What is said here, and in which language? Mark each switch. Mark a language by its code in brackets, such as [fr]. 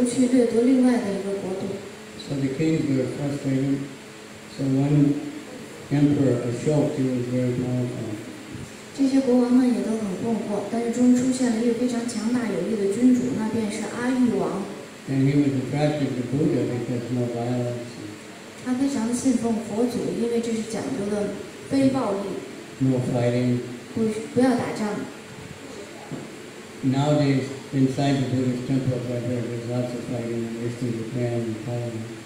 [zh] 他们总是在打仗，试图去掠夺另外的一个国度。 [en] So the kings were frustrated. So one emperor Ashoka, he was very powerful. [zh] 这些国王们也都很困惑，但是终于出现了一个非常强大有力的君主，那便是阿育王。 [en] And he was attracted to Buddha because no violence. [zh] 他非常信奉佛祖，因为这是讲究的非暴力。 [en] No fighting. [zh] 不要打仗。 [en] Nowadays, inside the Buddhist temples right there, there's lots of fighting in Eastern Japan and Thailand.